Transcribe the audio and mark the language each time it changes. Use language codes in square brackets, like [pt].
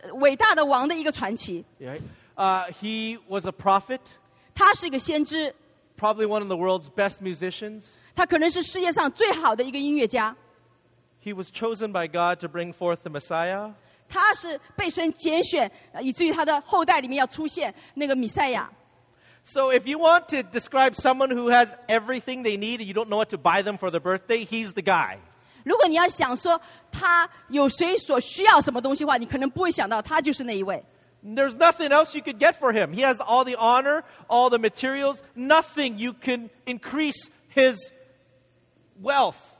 [zh] 哦，他是一个伟大的王的一个传奇。 [en] Yeah. He was a prophet. [zh] 他是一个先知。 [en] Probably one of the world's best musicians. [zh] 他可能是世界上最好的一个音乐家。 [en] He was chosen by God to bring forth the Messiah. [zh] 他是被神拣选，以至于他的后代里面要出现那个弥赛亚。 [en] So if you want to describe someone who has everything they need and you don't know what to buy them for their birthday, he's the guy. [zh] 如果你要想说他有谁所需要什么东西的话，你可能不会想到他就是那一位。 [en] There's nothing else you could get for him. He has all the honor, all the materials, nothing you can increase his wealth.